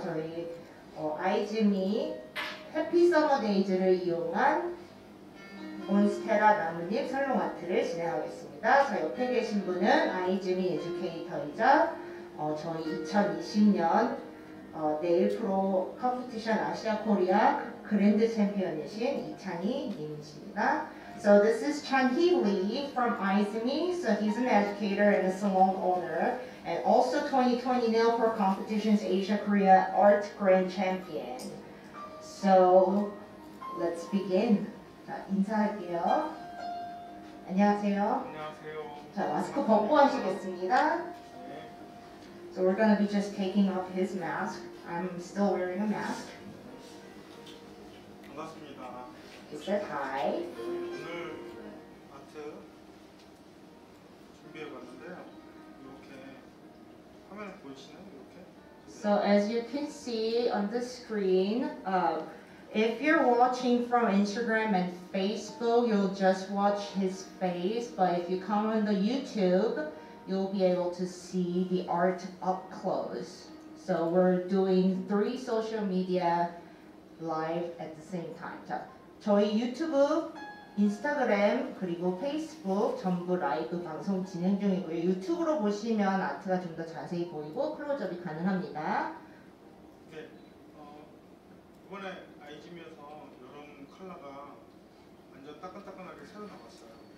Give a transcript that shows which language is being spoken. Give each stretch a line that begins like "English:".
Korean: 저희 아이즈미 해피 서머 데이즈를 이용한 몬스테라 나뭇잎 살롱 아트를 진행하겠습니다. 자, 옆에 계신 분은 아이즈미 에듀케이터이자 저희 2020년 네일프로 컴피티션 아시아 코리아 그랜드 챔피언이신 이찬희님이십니다.
English: So this is Chanhee Lee from Aizumi. So he's an educator and a salon owner and also 2020 Nailpro Competitions Asia Korea Art Grand Champion. So let's begin.
Korean: 자, 인사할게요. 안녕하세요. 안녕하세요. 자, 마스크 벗고 하시겠습니다. 네.
English: So we're gonna be just taking off his mask. I'm still wearing a mask.
Korean: 반갑습니다.
English: He said hi.
Korean: 오늘 아트 준비해 봤는데요. 이렇게 화면을 보이시나요? 이렇게.
English: So as you can see on the screen, if you're watching from Instagram and Facebook, you'll just watch his face. But if you come on the YouTube, you'll be able to see the art up close. So we're doing three social media live at the same time.
Korean: 자, 저희 유튜브, 인스타그램, 그리고 페이스북 전부 라이브 방송 진행 중이고요. 유튜브로 보시면 아트가 좀 더 자세히 보이고 클로즈업이 가능합니다. 네, 이번에 아이즈미에서 여름 컬러가 완전 따끈따끈하게 새로 나왔어요.